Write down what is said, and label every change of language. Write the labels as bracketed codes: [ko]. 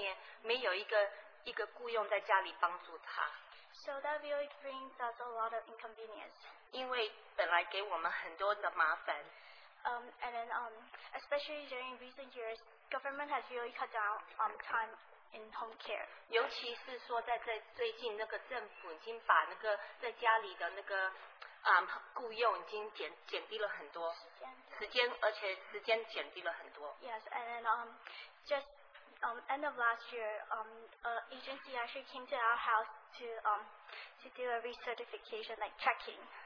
[zh] 我真的很第一感谢我妈，就是我妈妈。我妈妈已经差不多两三年没有一个雇佣在家里帮助她。 [en] So that really brings us a lot of inconvenience. [zh] 因为本来给我们很多的麻烦。 [en] Especially during recent years, government has really cut down time in home care. [zh] 尤其是说在最近那个政府已经把那个在家里的那个雇佣已经减低了很多时间，而且时间减低了很多。Yes, [en] and then just end of last year, agency actually came to our house to do a recertification, like checking.